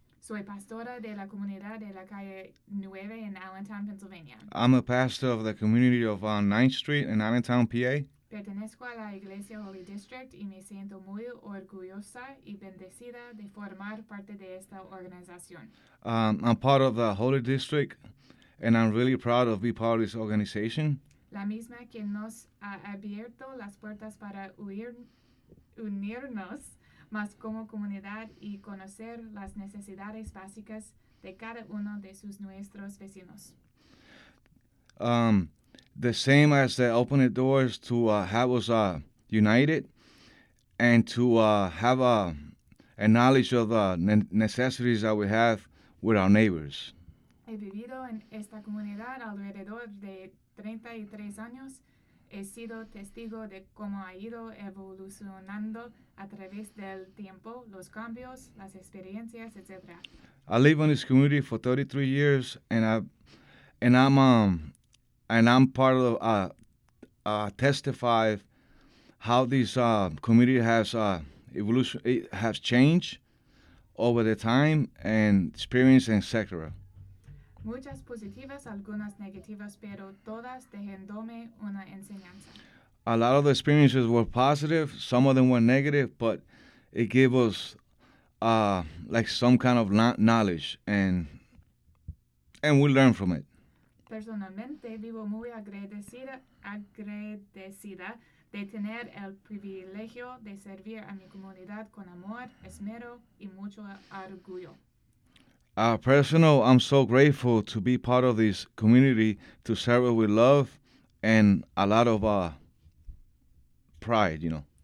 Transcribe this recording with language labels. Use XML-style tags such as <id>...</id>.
<es>Soy pastora de la comunidad de la calle Nueve in Allentown, Pennsylvania.</es> <en>I'm a pastor of the community of 9th Street in Allentown, PA.</en> <es>Pertenezco a la Iglesia Holy District y me siento muy orgullosa y bendecida de formar parte de esta organización.</es> <en>I'm part of the Holy District, and I'm really proud of being part of this organization.</en> <es>La misma que nos ha abierto las puertas para unirnos más como comunidad y conocer las necesidades básicas de cada uno de sus nuestros vecinos.</es> <en>The same as they opened the doors to have us united and to have a knowledge of the necessities that we have with our neighbors.</en> <es>He vivido en esta comunidad alrededor de 33 años. He sido testigo de cómo ha ido evolucionando a través del tiempo, los cambios, las experiencias, etc.</es> <en>I live in this community for 33 years, and I'm part of testify how this community has evolution, it has changed over the time and experience, etc.</en> <es>Muchas positivas, algunas negativas, pero todas dejándome una enseñanza.</es> <en>A lot of the experiences were positive, some of them were negative, but it gave us like some kind of knowledge, and we learned from it.</en> <es>Personalmente vivo muy agradecida de tener el privilegio de servir a mi comunidad con amor, esmero y mucho orgullo.</es> <en>Personal, I'm so grateful to be part of this community, to serve it with love and a lot of pride, you know.</en>